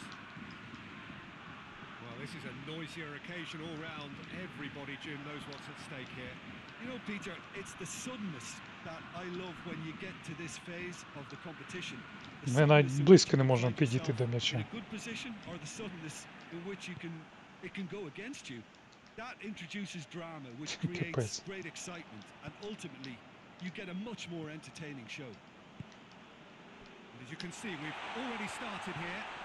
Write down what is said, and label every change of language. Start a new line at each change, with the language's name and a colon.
English: Well, this is a noisier occasion all round. Everybody, Jim, knows what's at stake here. You know, Peter, it's the suddenness that I love when you get to this phase of the competition.
Ukrainian: Ми навіть близько не можемо підійти до м'яча.
English: The good position or the suddenness in which you can it can go against you. That introduces drama, which creates great excitement, and ultimately you get a much more entertaining show. As you can see, we've already started here.